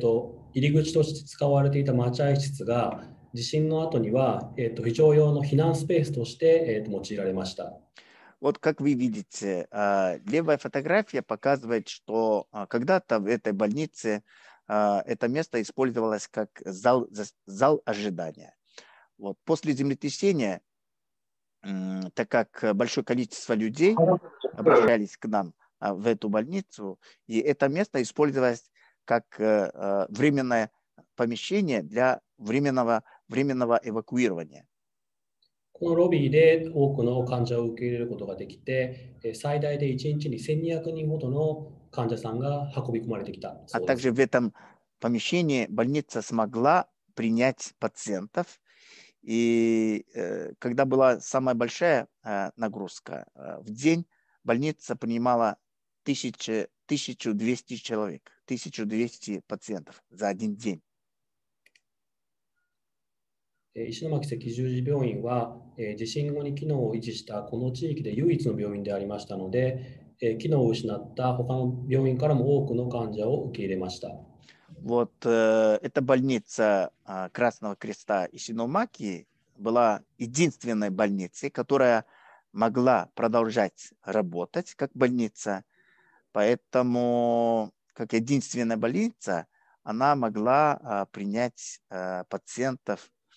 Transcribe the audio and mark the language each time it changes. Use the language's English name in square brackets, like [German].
[Japanese] Мейшин建物で建物の機能が守られたために、もともと入り口として使われていた待合室が地震の後には、非常用の避難スペースとして、用いられました。 [Russian] Вот как вы видите, левая фотография показывает, что когда-то в этой больнице это место использовалось как зал ожидания. Вот после землетрясения, так как большое количество людей обращались к нам в эту больницу, и это место использовалось как временное помещение для временного эвакуирования. [Japanese] このロビーで多くの患者を受け入れることができて、最大で1日に1200人ほどの患者さんが運び込まれてきた。 [Russian] А также в этом помещении больница смогла принять пациентов. И когда была самая большая нагрузка в день, больница принимала 1200 человек, 1200 пациентов за один день. [Japanese] 石巻赤十字病院は地震後に機能を維持したこの地域で唯一の病院でありましたので、機能を失った他の病院からも多くの患者を受け入れました。 [Russian] Вот эта больница Красного Креста Ишиномаки была единственной больницей, которая могла продолжать работать как больница, поэтому как единственная больница она могла принять пациентов.